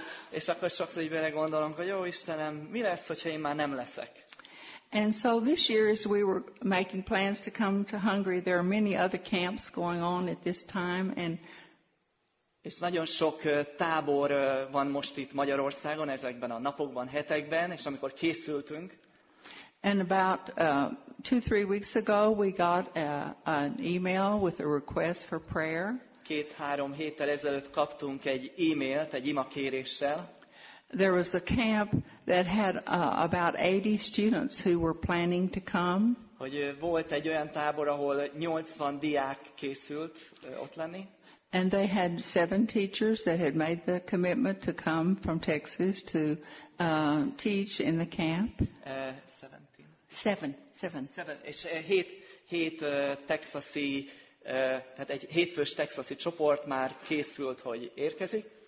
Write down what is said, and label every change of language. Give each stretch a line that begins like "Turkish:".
Hungarian: És akkor sokszor így belegondolunk, hogy jó Istenem, mi lesz, hogyha én már nem leszek?
English: And so this year, as we were making plans to come to Hungary, there are many other camps going on at this time, and
Hungarian: és nagyon sok tábor van most itt Magyarországon ezekben a napokban, hetekben, és amikor készültünk.
English: And about two, three weeks ago, we got an email with a request for prayer.
Hungarian: 2-3 héttel ezelőtt kaptunk egy e-mailt, egy ima kéréssel.
English: There was a camp that had about 80 students who were planning to come.
Hungarian: Hogy volt egy olyan tábor, ahol 80 diák készült ott lenni.
English: And they had 7 teachers that had made the commitment to come from Texas to teach in the camp.
Hungarian: 7. És 7 texasi, tehát egy hétfős texasi csoport már készült, hogy érkezik.